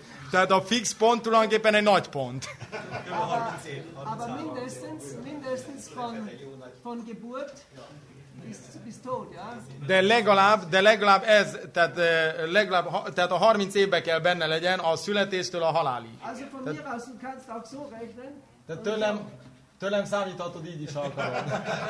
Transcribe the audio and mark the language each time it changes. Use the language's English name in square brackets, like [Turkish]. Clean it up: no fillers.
[Hungarian] Tehát a fix pont tulajdonképpen egy nagy pont. [German] Aber mindestens von Geburt bis tot, ja? [Hungarian] De legalább ez, tehát a 30 évben kell benne legyen a születéstől a halálig. [German] Also von mir aus, du kannst auch so rechnen. [Hungarian] Tehát tőlem számíthatod így is akarod.